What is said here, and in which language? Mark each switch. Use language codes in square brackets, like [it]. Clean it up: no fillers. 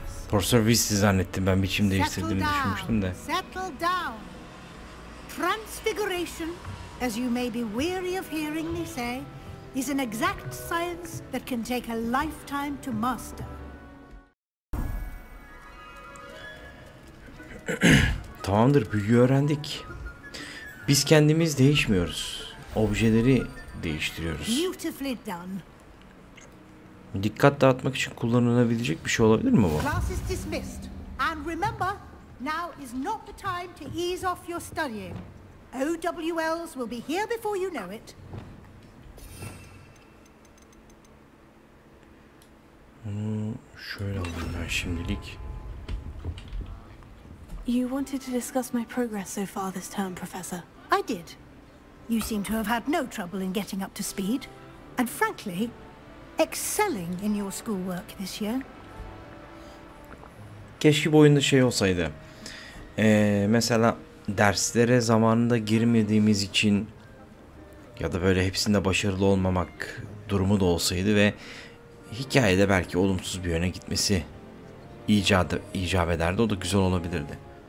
[tr] Professor Weasley zannettim ben biçim değiştirdiğimi düşünmüştüm de. [en] Settle down. Transfiguration, as you may be weary of hearing me say, is an exact science that can take a lifetime to master. [tr] Tamamdır, büyüyü öğrendik. Biz kendimiz değişmiyoruz. Objeleri değiştiriyoruz. [en] Beautifully done. [tr] Dikkat dağıtmak için kullanılabilecek bir şey olabilir mi bu? [en] Class is dismissed. And remember, now is not the time to ease off your studying. OWLs will be here before you know it. [tr] Şöyle alayım ben şimdilik. [en] You wanted to discuss my progress so far this term, Professor. I did. You seem to have had no trouble in getting up to speed. And frankly, excelling in your schoolwork this year. [tr] Keşke bu oyunda şey olsaydı. Mesela derslere zamanında girmediğimiz için ya da böyle hepsinde başarılı olmamak durumu da olsaydı ve hikayede belki olumsuz bir yöne gitmesi icap ederdi. O da güzel olabilirdi.